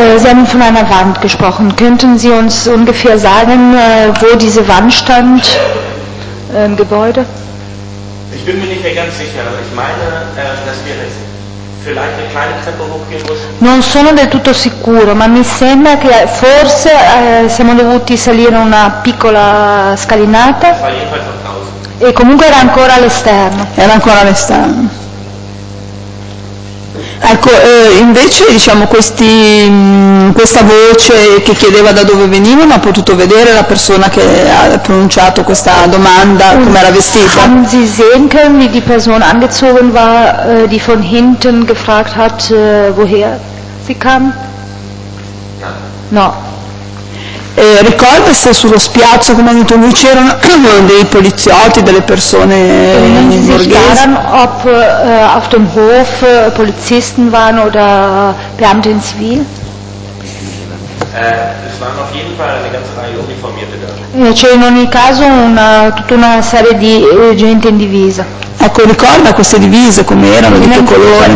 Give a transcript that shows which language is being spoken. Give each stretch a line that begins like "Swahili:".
German: Sie haben von einer Wand gesprochen. Könnten Sie uns ungefähr sagen, wo diese Wand stand? Gebäude? Ich bin mir nicht mehr ganz sicher, aber ich meine, dass wir vielleicht eine kleine Treppe hochgehen mussten.
Italian: Non sono del tutto sicuro, ma mi sembra che forse siamo dovuti salire una piccola scalinata. E comunque era ancora all'esterno. Era ancora all'esterno. Ecco, invece diciamo questa voce che chiedeva da dove veniva, non ha potuto vedere la persona che ha pronunciato questa domanda, come era vestita.
German: Haben Sie sehen können, wie die Person angezogen war, die von hinten gefragt hat, woher sie kam?
Italian: No. Ricorda se sullo spiazzo, come ha detto lui, c'erano dei poliziotti, delle persone borghesi?
German: Ob auf dem Hof Polizisten waren oder Beamte in Zivil? Es waren auf jeden Fall eine ganze Reihe Uniformierte da.
Italian: C'è in ogni caso tutta una serie di gente in divisa. Ecco, ricorda queste divise, come erano, di che colore?